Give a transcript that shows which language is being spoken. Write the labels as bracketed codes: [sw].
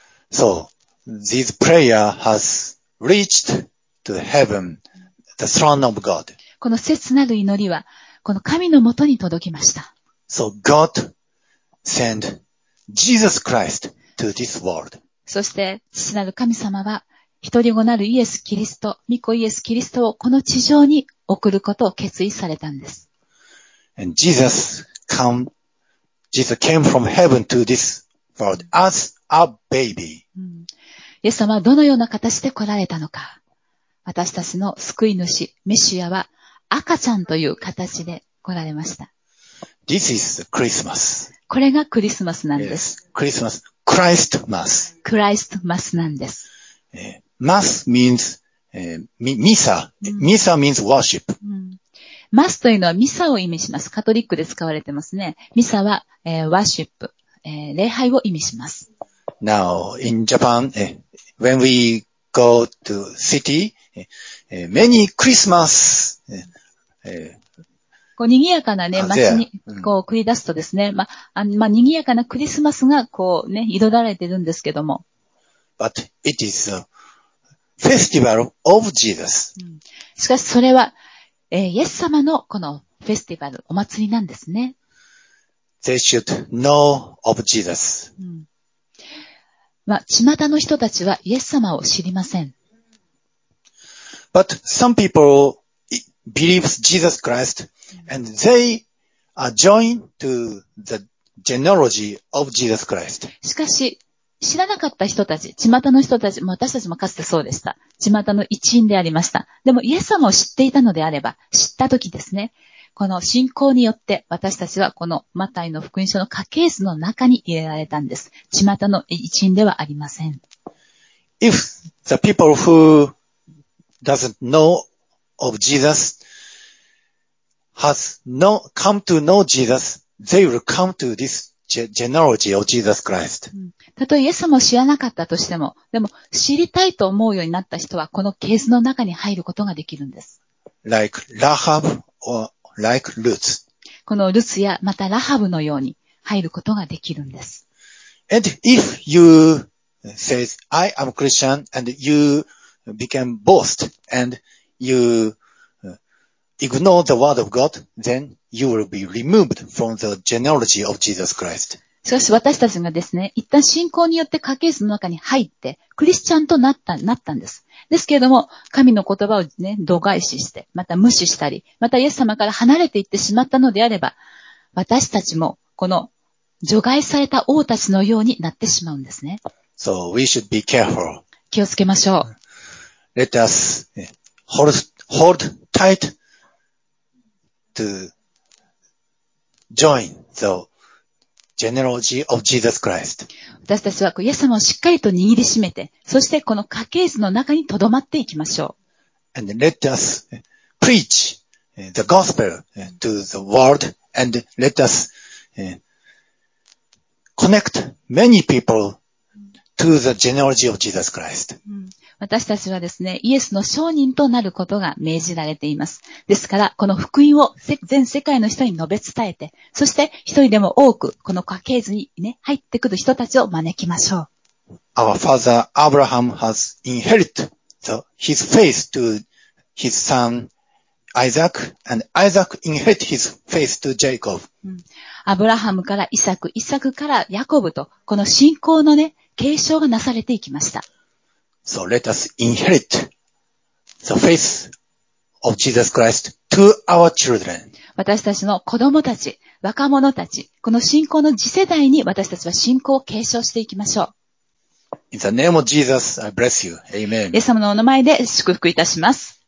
[en] So, this prayer has reached to heaven, the throne of God. [ja] この切なる祈りは、この神のもとに届きました。 [en] So, God sent Jesus Christ to this world. [ja] そして、父なる神様は、一人子なるイエス・キリスト、御子イエス・キリストをこの地上に送ることを決意されたんです。 [en] And Jesus came from heaven to this world as a baby. [ja] イエス様はどのような形で来られたのか。私たちの救い主、メシアは赤ちゃんという形で来られました。 [en] This is the Christmas. [ja] これがクリスマスなんです。 [en] Yes, Christmas. Christmas. [ja] Christmas なんです。 [en] Mass means, Misa. Misa means worship. [ja] Mass というのはミサを意味します。カトリックで使われてますね。ミサは、worship、礼拝を意味します。 [en] Now, in Japan, when we go to city, many Christmas, [ja] こう賑やかなね、街にこう繰り出すとですね、まあ賑やかなクリスマスがこうね、彩られてるんですけども。 [en] But it is a festival of Jesus. [ja] しかしそれは、イエス様のこのフェスティバル、お祭りなんですね。 [en] They should know of Jesus. [ja] まあ、巷の人たちはイエス様を知りません。 [en] But some people believe Jesus Christ and they are joined to the genealogy of Jesus Christ. [ja] しかし、知らなかった人たち、巷の人たち、私たちもかつてそうでした。巷の一員でありました。でもイエス様を知っていたのであれば、知った時ですね、この信仰によって私たちはこのマタイの福音書の家系図の中に入れられたんです。巷の一員ではありません。 [en] If the people who doesn't know of Jesus has no come to know Jesus, they will come to this genealogy of Jesus Christ. [ja] たとえイエス様を知らなかったとしても、でも知りたいと思うようになった人はこの系図の中に入ることができるんです。 [en] Like Rahab or Like Ruth. [ja] このルツやまたラハブのように入ることができるんです。 [en] And if you say, I am Christian and you became both and you ignore the word of God, then you will be removed from the genealogy of Jesus Christ. [ja] しかし私たちがですね、一旦信仰によって家系図の中に入って、クリスチャンとなったんです。ですけれども、神の言葉をね、度外視して、また無視したり、またイエス様から離れていってしまったのであれば、私たちも、この、除外された王たちのようになってしまうんですね。 [en] So, we should be careful. [ja] 気をつけましょう。 [en] Let us hold tight to join the genealogy of Jesus Christ. [ja] 私たちは、イエス様をしっかりと握りしめて、そしてこの家系図の中に留まっていきましょう。 [en] And let us preach the gospel to the world and let us connect many people to the genealogy of Jesus Christ. [ja] 私たちはですね、イエスの証人となることが命じられています。ですから、この福音を全世界の人に述べ伝えて、そして一人でも多く、この家系図に、ね、入ってくる人たちを招きましょう。 [en] Our father Abraham has inherited his faith to his son Isaac, and Isaac inherited his faith to Jacob. [ja] アブラハムからイサク、イサクからヤコブと、この信仰のね、継承がなされていきました。 [en] So let us inherit the faith of Jesus Christ to our children. [ja] 私たちの子供たち、若者たち、この信仰の次世代に私たちは信仰を継承していきましょう。 [en] In the name of Jesus, I bless you. Amen. [ja] イエス様のお名前で祝福いたします。